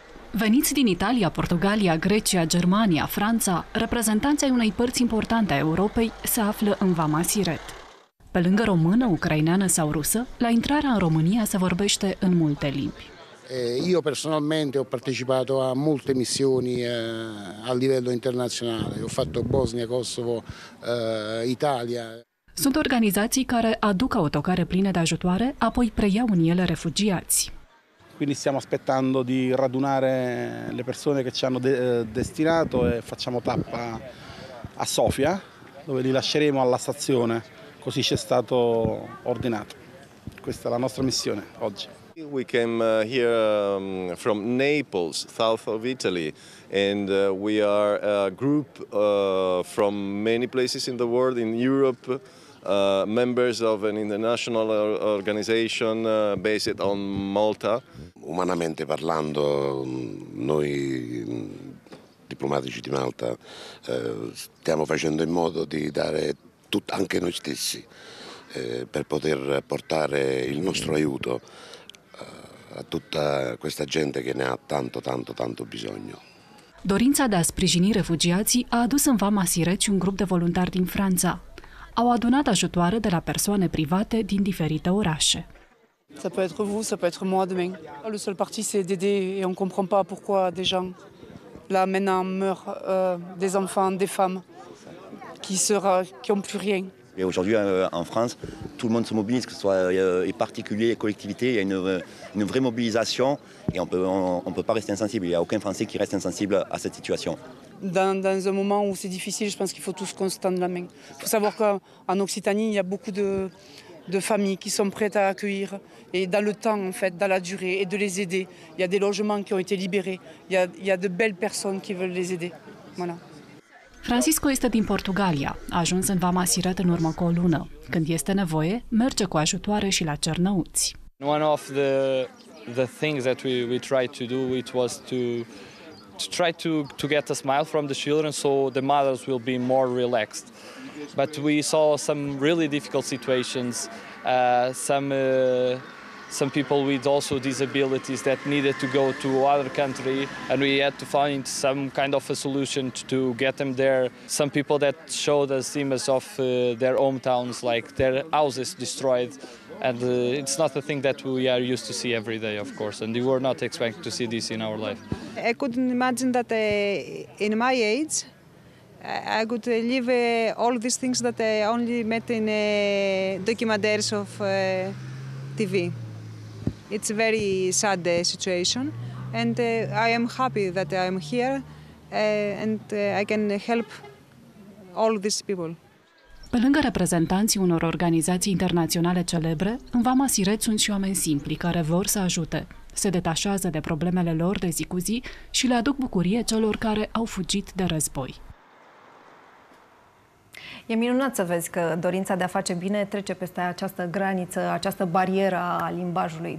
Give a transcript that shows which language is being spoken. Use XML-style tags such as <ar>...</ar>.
<ro>Veniți din Italia, Portugalia, Grecia, Germania, Franța, reprezentanții ai unei părți importante a Europei se află în Vama Siret. Pe lângă română, ucraineană sau rusă, la intrarea în România se vorbește în multe limbi.</ro> <it>Io personalmente ho partecipato a molte missioni a livello internazionale. Ho fatto Bosnia, Kosovo, Italia.</it> <ro>Sunt organizații care aduc autocare pline de ajutoare, apoi preiau în ele refugiați.</ro> <it>Quindi stiamo aspettando di radunare le persone che ci hanno destinato e facciamo tappa a Sofia, dove li lasceremo alla stazione, così ci è stato ordinato. Questa è la nostra missione oggi.</it> <en>We came here from Naples, south of Italy, and we are a group from many places in the world, in Europe, members of an international organization based on Malta.</en> <it>Umanamente parlando, noi diplomatici di Malta stiamo facendo in modo di dare tutto anche noi stessi per poter portare il nostro aiuto a tutta questa gente che ne ha tanto, tanto, tanto bisogno.</it> <ro>Dorința de a sprijini refugiații a adus în Vama Siret un grup de voluntari din Franța. Au adunat ajutoare de la persoane private din diferite orașe.</ro> <fr>Ça peut être vous, ça peut être moi demain. Le seul parti c'est d'aider et on comprend pas pourquoi des gens là maintenant meurent des enfants, des femmes qui ont plus rien. Et aujourd'hui en France, tout le monde se mobilise, que ce soit les particuliers, les collectivités, il y a une vraie mobilisation et on peut pas rester insensible, il y a aucun Français qui reste insensible à cette situation. Dans un moment où c'est difficile, je pense qu'il faut tous qu'on se tende la main. Il faut savoir qu'en Occitanie, il y a beaucoup de familles qui sont prêtes à accueillir et dans le temps, en fait, dans la durée, et de les aider. Il y a des logements qui ont été libérés. Il y a de belles personnes qui veulent les aider. Voilà.</fr> <ro>Francisco este din Portugalia. A ajuns în Vama Siret în urmă cu o lună. Când este nevoie, merge cu ajutoare și la Cernăuți.</ro> <en>One of the things that we tried to do, it was to try to get a smile from the children so the mothers will be more relaxed. But we saw some really difficult situations, some some people with also disabilities that needed to go to other country, and we had to find some kind of a solution to get them there. Some people that showed us images of their hometowns, like their houses destroyed, and it's not a thing that we are used to see every day, of course, and we were not expecting to see this in our life. I couldn't imagine that in my age I could live all these things that I only met in documentaries of TV. It's a very sad situation, and I am happy that I am here and I can help all these people.</en> <ro>Pe lângă reprezentanții unor organizații internaționale celebre, în Vama Siret sunt și oameni simpli care vor să ajute. Se detașează de problemele lor de zi cu zi și le aduc bucurie celor care au fugit de război. E minunat să vezi că dorința de a face bine trece peste această graniță, această barieră a limbajului.</ro>